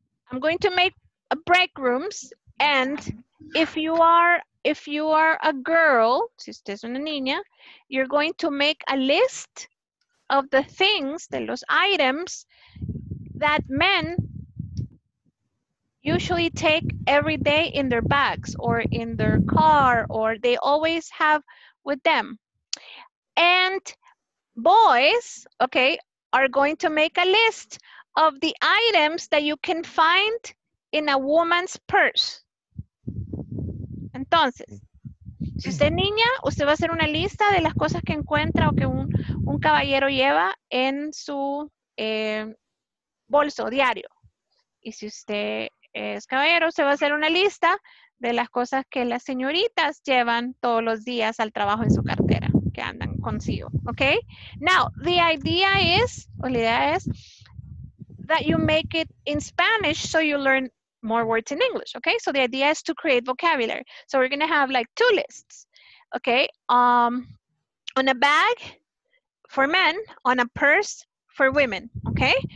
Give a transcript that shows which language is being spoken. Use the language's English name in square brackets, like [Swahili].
[English] I'm going to make a break rooms, and if you are a girl, [Spanish] si usted es una niña, [English] you're going to make a list of the things, [Spanish] de los items, [English] that men usually take every day in their bags or in their car, or they always have with them. And boys, okay, are going to make a list of the items that you can find in a woman's purse. [Spanish] Entonces, si usted es niña, usted va a hacer una lista de las cosas que encuentra o que un caballero lleva en su bolso diario. Y si usted es caballero, usted va a hacer una lista de las cosas que las señoritas llevan todos los días al trabajo en su cartera, que andan consigo, ¿ok? [English] Now, the idea is, [Spanish] o la idea es, [English] that you make it in Spanish so you learn more words in English, okay? So the idea is to create vocabulary. So we're gonna have like two lists, okay? On a bag for men, on a purse for women, okay?